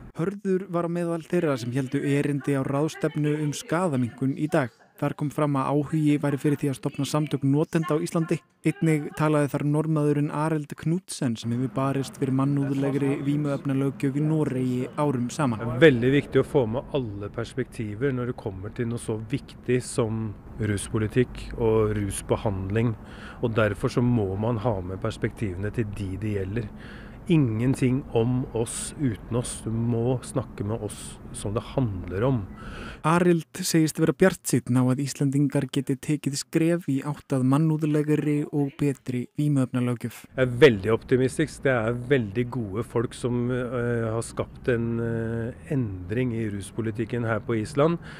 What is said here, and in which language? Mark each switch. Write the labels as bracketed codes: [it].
[is] Hörður var á meðal þeirra sem héldu erindi á ráðstefnu skaðaminnkun í dag. Þar kom fram að áhugi væri fyrir því að stofna samtök notenda á Íslandi. Einnig talaði þar normaðurinn Arild Knudsen sem hefur barist fyrir mannúðulegri vímuefnalöggjöf í Noregi árum saman. [no] Veldig viktig að få með alle perspektiver når det kommer til noe så viktig som ruspolitikk og rusbehandling. Og derfor så må man ha med perspektivene til de det gjelder. Ingenting om oss uten oss. Du må snakke med oss som det handler om. [is] Arild segist vera bjartsýnn á að Íslendingar geti tekið skref í átt að mannúðlegri og betri vímuefnalöggjöf. [no] Veldig optimistisk. Det veldig gode folk som har skapt en endring i ruspolitikken her på Island.